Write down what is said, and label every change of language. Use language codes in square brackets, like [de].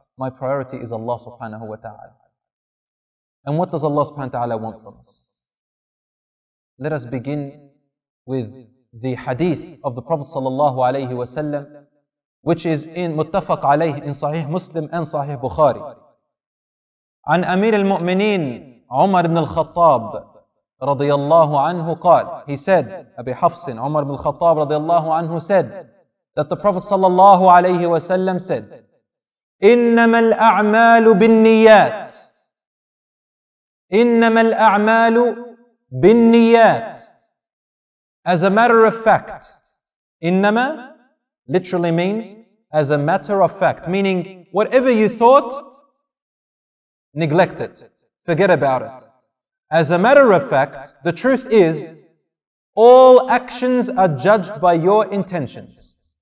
[en] My priority is Allah subhanahu wa ta'ala. And what does Allah subhanahu wa ta'ala want from us? Let us begin with the hadith of the Prophet sallallahu alayhi wa sallam, which is in muttafaq alayhi in Sahih Muslim and Sahih Bukhari. An Amir al-Mu'mineen, Umar ibn al-Khattab, [ar] رضي الله عنه قال, [en] he said, [ar] أبي حفص عمر بن الخطاب رضي الله عنه [en] said that the Prophet [ar] صلى الله عليه وسلم [en] said, [ar] إنما الأعمال بالنيات, إنما الأعمال بالنيات. [en] As a matter of fact, إنما literally means as a matter of fact, meaning whatever you thought, neglect it, forget about it. As a matter of fact, the truth is, all actions are judged by your intentions.